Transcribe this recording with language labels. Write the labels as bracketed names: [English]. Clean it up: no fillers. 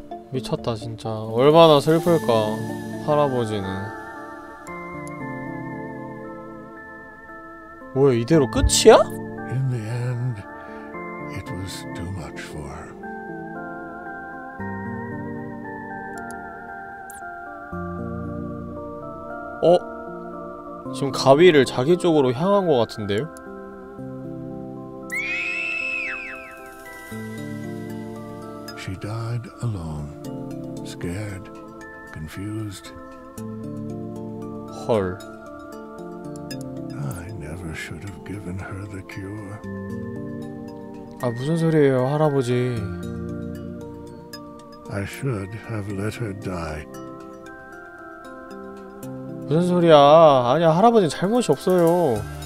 [Korean] 미쳤다 진짜. 얼마나 슬플까 할아버지는. 뭐야, 이대로 끝이야? [English] In the end, it was too much for her. [Korean] 어? 지금 가위를 자기 쪽으로 향한 것 같은데요? [English] she died alone. Scared, confused. [Korean] 헐. [English] I never should have given her the cure. [Korean] 아 무슨 소리예요, 할아버지. [English] I should have let her die. [Korean] 무슨 소리야? 아니야, 할아버지 잘못이 없어요.